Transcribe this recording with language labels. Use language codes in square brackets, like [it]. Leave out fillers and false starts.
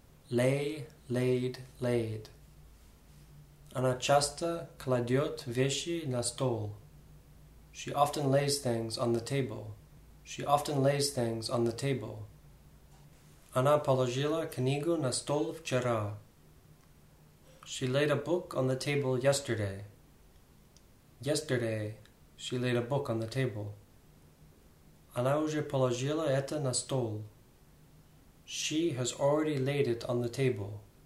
[en] Lay, laid, laid. [ru] Она часто кладет вещи на стол. [en] She often lays things on the table. She often lays things on the table. [ru] Она положила книгу на стол вчера. [en] She laid a book on the table yesterday. Yesterday, she laid a book on the table. [ru] Она уже положила это на стол. [en] She has already laid it on the table.